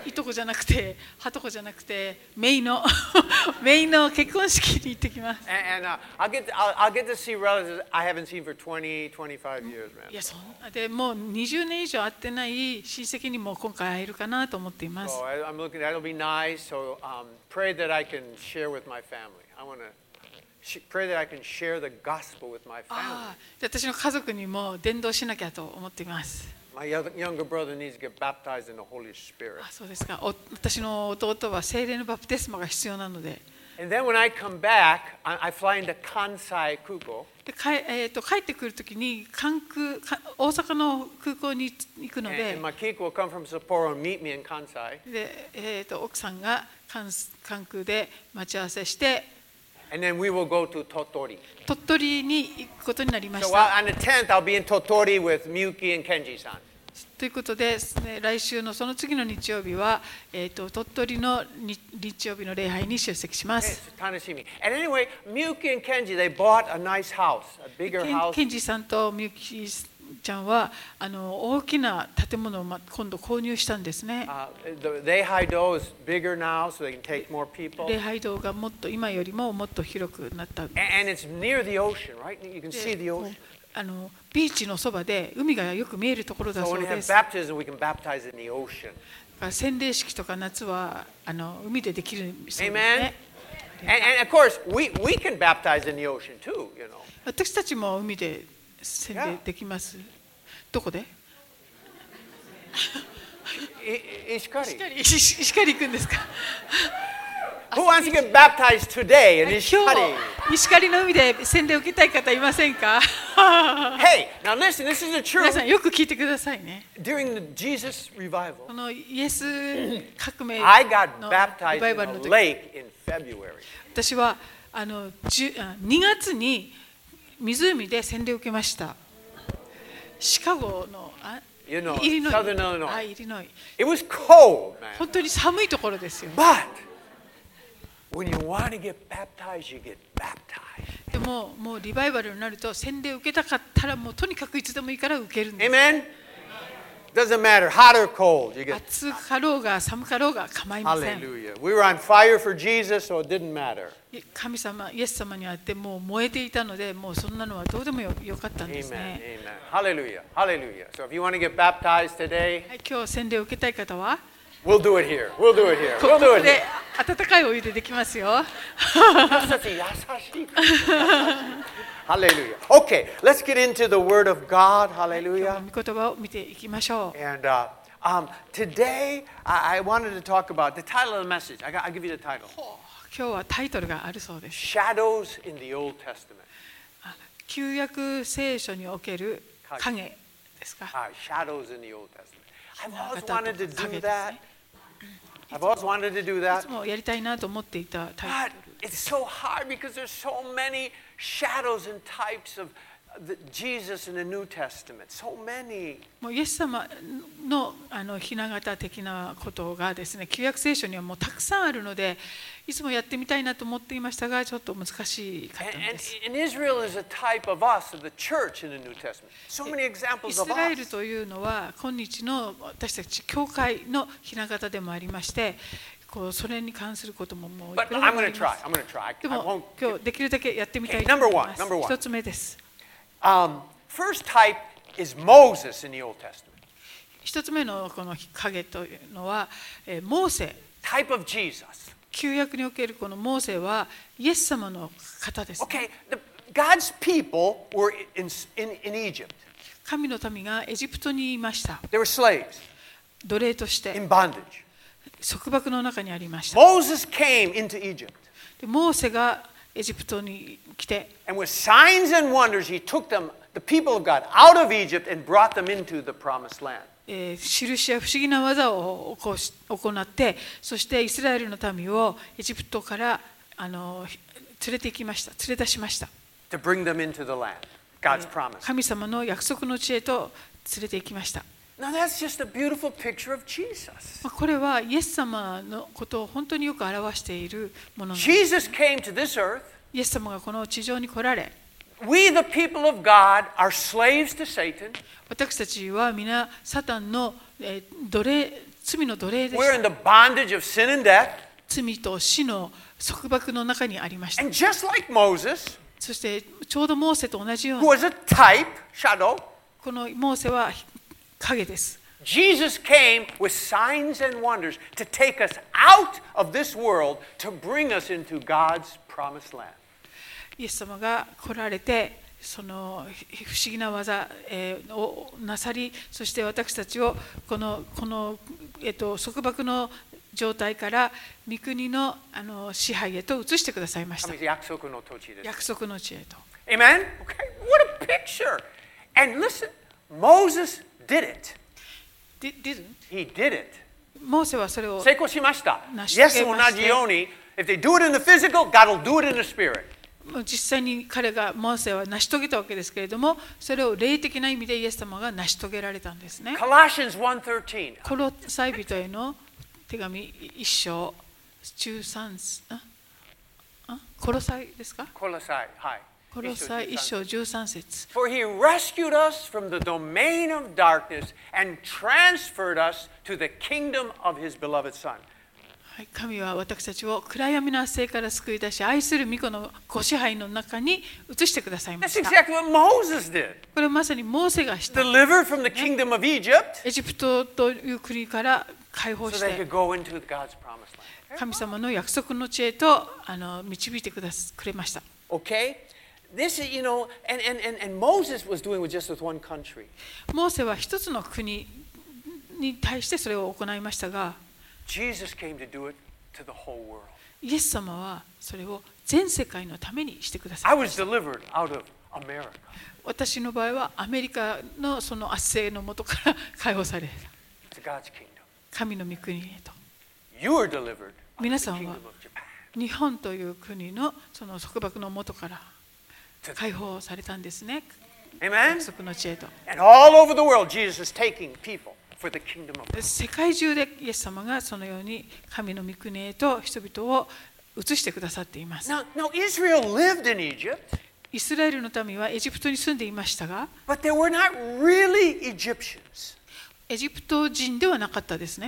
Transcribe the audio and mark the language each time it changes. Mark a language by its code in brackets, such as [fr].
[ja] いとこじゃなくて、はとこじゃなくて、メイのメイの結婚式に行ってきます。 [en] I'll get to see relatives I haven't seen for 20-25 years, man. [ja] いや、そんなでもう20年以上会ってない親戚にも今回会えるかなと思っています。 [en] Oh, I'm looking. That'll be nice. So, pray that I can share with my family. I wanna pray that I can share the gospel with my family. [ja] ああ、私の家族にも伝道しなきゃと思っています。 [en] My younger brother needs to get baptized in the Holy Spirit. [ja] あ、そうですか。私の弟は聖霊のバプテスマが必要なので。 [en] And then when I come back, I fly into Kansai 空港。 [ja] で、帰ってくるときに大阪の空港に行くので。 [en] And my kiko will come from Sapporo and meet me in Kansai. [ja] で、奥さんが関空で待ち合わせして。 [en] And then we will go to Tottori. [ja] 鳥取に行くことになりました。 [en] So on the 10th, I'll be in Tottori with Miyuki and Kenji-san. [ja] ということで、来週のその次の日曜日は、鳥取の日曜日の礼拝に出席します。楽しみ。 [en] And anyway, Miyuki and Kenji, they bought a nice house, a bigger house. [ja] Kenji-san と Miyuki ちゃんは大きな建物を今度購入したんですね。 [en] 礼拝堂 is bigger now, so they can take more people. [ja] 礼拝堂がもっと今よりももっと広くなった。 [en] And it's near the ocean, right? You can see the ocean. [ja] ビーチのそばで海がよく見えるところだそうです。 [en] So when we have baptism, we can baptize in the ocean. [ja] 洗礼式とか夏は海でできるそうですね。 [en] Amen. And of course, we can baptize in the ocean too. You know. [ja] 私たちも海で洗礼できます。 Yeah. どこで？石狩行くんですか？ [en] Who wants to get baptized today in Ishikari? [ja] 石狩の海で洗礼を受けたい方いませんか？ [en] Hey, now listen, this is the truth. [ja] 皆さんよく聞いてくださいね。 [en] During the Jesus revival, [ja] このイエス革命のリバイバルの時、 [en] I got baptized in a lake in February. [ja] 私は2月に湖で洗礼を受けました。シカゴの、 [en] イリノイ。Southern Illinois. [ja] イリノイ。 [en] It was cold, man. [ja] 本当に寒いところですよ。 [en] But when you want to get baptized, you get baptized. [ja] でも、もうリバイバルになると洗礼を受けたかったら、もうとにかくいつでもいいから受けるんです。 [en] Amen. Doesn't matter, hot or cold. You get. [ja] 暑かろうが寒かろうが構いません。 [en] Hallelujah. We were on fire for Jesus, so it didn't matter. [ja] 神様、イエス様にあってもう燃えていたので、もうそんなのはどうでもよかったんですね。 [en] Amen, amen. Hallelujah, hallelujah. So if you want to get baptized today, [ja] 今日洗礼を受けたい方は、 [en] We'll do it here. We'll do it here. We'll do it here. [ja] ここで温かいお湯でできますよ。私たち優しい。Hallelujah. [en] Okay, let's get into the Word of God. Hallelujah. [ja] 今日の御言葉を見ていきましょう。 [en] And, today, I wanted to talk about the title of the message. I'll give you the title. [ja] 今日はタイトルがあるそうです。 [en] Shadows in the Old Testament. [ja] 旧約聖書における影ですか。 [en] Shadows in the Old Testament. I've always wanted to do that. I've always wanted to do that. [ja] いつもやりたいなと思っていたタイトル。 [en] But it's so hard because there's so many shadows and types of the Jesus in the New Testament. So many. [ja] もうイエス様のあのひな形的なことがですね、旧約聖書にはもうたくさんあるので、いつもやってみたいなと思っていましたが、ちょっと難しいかったんです。 [en] And Israel is a type of us, of the church in the New Testament. So many examples of us. [ja] イスラエルというのは今日の私たち教会のひな形でもありまして、こうそれに関することももういろいろあります。 [en] But I'm going to try. [ja] でも今日できるだけやってみたいと思います。 [en] Number one. [ja] 一つ目です。 [en] First type is Moses in the Old Testament. [ja] 一つ目のこの影というのは、モーセ。 [en] Type of Jesus. [ja] 旧約におけるこのモーセはイエス様の方です、ね。 [en] Okay, the God's people were in Egypt. [ja] 神の民がエジプトにいました。 [en] They were slaves. [ja] 奴隷として。 [en] In bondage. [ja] 束縛の中にありました。 [en] Moses came into Egypt. [ja] でモーセがエジプトに来て、 [en] and with signs and wonders he took them, the people of God, out of Egypt and brought them into the promised land. [ja] 印や不思議な技を行って、そしてイスラエルの民をエジプトから連れて行きました、連れ出しました。 [en] To bring them into the land, God's promise. [ja] 神様の約束の地へと連れて行きました。 [en] Now that's just a beautiful picture of Jesus. [ja] これはイエス様のことを本当によく表しているものなんです。 [en] Jesus came to this earth. [ja] イエス様がこの地上に来られ。 [en] We the people of God are slaves to Satan. [ja] 私たちは皆サタンの奴隷、罪の奴隷です。 [en] We're in the bondage of sin and death. [ja] 罪と死の束縛の中にありました。 [en] And just like Moses. [ja] そしてちょうどモーセと同じように。 [en] Who was a type shadow. [ja] このモーセは影です。 [en] Jesus came with signs and wonders to take us out of this world to bring us into God's promised land. [ja] イエス様が来られて、その不思議な技をなさり、そして私たちをこの束縛の状態から御国の支配へと移してくださいました。約束の土地です。約束の地へと。 [en] Amen. Okay. What a picture. And listen, Moses. Did it? Didn't? He did it. [ja] モーセはそれを成功しました。 [en] Yes, [ja] 同じように、 [en] if they do it in the physical, God will do it in the spirit. [ja] 実際に彼がモーセは成し遂げたわけですけれども、それを霊的な意味でイエス様が成し遂げられたんですね。 [en] Colossians 1:13. [ja] コロサイ人への手紙一章中三節。コロサイですか？コロサイ、はい。一章十三節。 [en] For he rescued us from the domain of darkness and transferred us to the kingdom of his beloved son. [ja] 神は私たちを暗闇の世から救い出し、愛する御子のご支配の中に移してくださいました。 [en] That's exactly what Moses did. [ja] これはまさにモーセがした。 [en] Delivered from the kingdom of Egypt. [ja] エジプトという国から解放して。 [en] So they could go into God's promised land. [ja] 神様の約束の地へと導いてくれました。 [en] Okay. This is, you know, and Moses was doing with just with one country. [ja] モーセは一つの国に対してそれを行いましたが、 [en] Jesus came to do it to the whole world. [ja] イエス様はそれを全世界のためにしてくださいました。 [en] I was delivered out of America. [ja] 私の場合はアメリカのその圧政のもとから解放され、 [en] To God's kingdom. [ja] 神の御国へと。 [en] You were delivered out of the kingdom of Japan. [ja] 日本という国のその束縛のもとから。解放されたんですね。 [en] Amen. [ja] 約束の地へと。 [en] And all over the world, Jesus is taking people for the kingdom of God. [ja] 世界中でイエス様がそのように神の御国へと人々を移してくださっています。 [en] Now Israel lived in Egypt. [ja] イスラエルの民はエジプトに住んでいましたが、 [en] But they were not really Egyptians. [ja] エジプト人ではなかったですね。